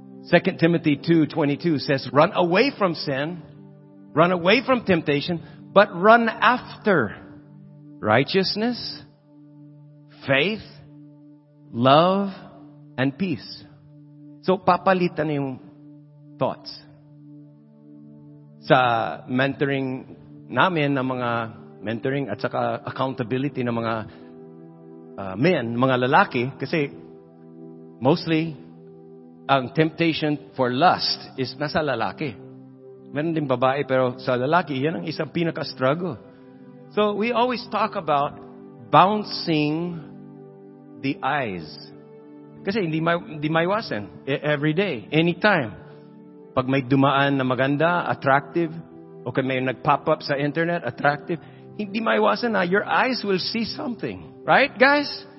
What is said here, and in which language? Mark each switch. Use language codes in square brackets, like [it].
[en] 2 Timothy 2:22 says, run away from sin, run away from temptation, but run after righteousness, faith, love, and peace. [tl] So, papalitan yung thoughts. Sa mentoring namin ng mga mentoring at saka accountability ng mga men, mga lalaki, kasi mostly, ang temptation for lust is nasa lalaki. Meron din babae, pero sa lalaki, yan ang isang pinaka-struggle. [en] So, we always talk about bouncing the eyes. [tl] Kasi hindi maiwasan. [en] Every day, anytime. [tl] Pag may dumaan na maganda, attractive, o kung may nag-pop-up sa internet, attractive, hindi maiwasan na, [en] your eyes will see something. Right, guys?